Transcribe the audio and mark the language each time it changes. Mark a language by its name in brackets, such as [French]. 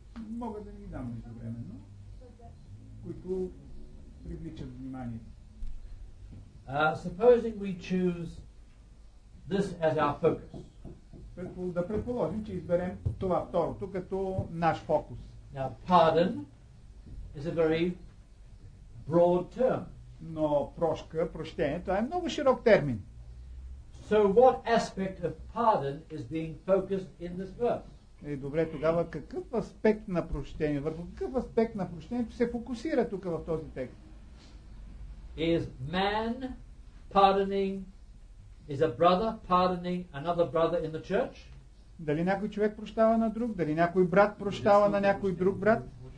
[Bulgarian] Мога да ни дам междувременно, които привличат внимание. [English] Supposing we choose this as our focus. [Bulgarian] Да предположим, че изберем това второто като наш фокус. [English] Now, pardon is a very broad term. [Bulgarian] Но прошка, прощение, това е много широк термин. [English] So what aspect of pardon is being focused in this verse? [Bulgarian] Е, добре, тогава какъв аспект на прощение, върху какъв аспект на прощението се фокусира тук в този текст? [English] Is man pardoning, is a brother pardoning another brother in the church? [Bulgarian] Дали някой човек прощава на друг? Дали някой брат прощава на някой друг брат?